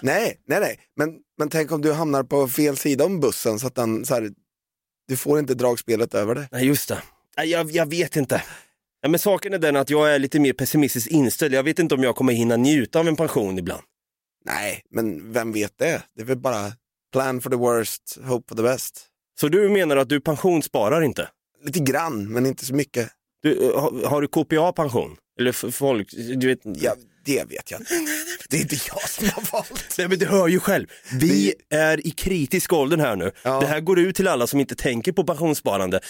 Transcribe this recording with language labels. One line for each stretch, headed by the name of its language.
Swedish: Nej. Men tänk om du hamnar på fel sida om bussen så att den så här, du får inte dragspelet över det. Nej, just det. Nej, jag vet inte. Ja, men saken är den att jag är lite mer pessimistiskt inställd. Jag vet inte om jag kommer hinna njuta av en pension ibland. Nej, men vem vet det? Det är väl bara...
English: Plan for the worst, hope for the best.
Swedish: Så du menar att du pensionssparar inte? Lite grann, men inte så mycket. Du, har du KPA-pension? Eller folk, du vet... Ja, Det vet jag. Det är inte jag som har valt. Nej, men du hör ju själv. Vi är i kritisk ålder här nu. Ja. Det här går ut till alla som inte tänker på pensionssparande.